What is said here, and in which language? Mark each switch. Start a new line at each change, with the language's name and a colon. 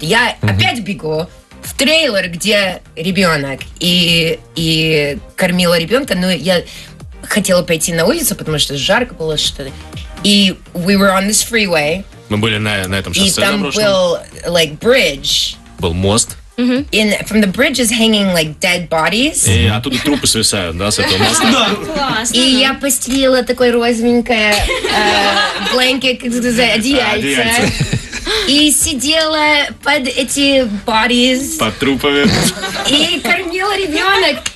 Russian: Я опять бегу в трейлер, где ребенок, и кормила ребенка, но я хотела пойти на улицу, потому что жарко было что-то. И
English: we were on this freeway.
Russian: Мы были на этом шоссе заброшенном. И там был,
English: like, bridge.
Russian: Был мост. Mm-hmm.
English: And from the bridge is hanging, like, dead bodies.
Russian: И оттуда трупы свисают, да, с этого моста. Да. И я постелила такое розовенькое blanket, как сказать, одеяльце. И сидела под эти bodies. Под трупами. И кормила ребенок.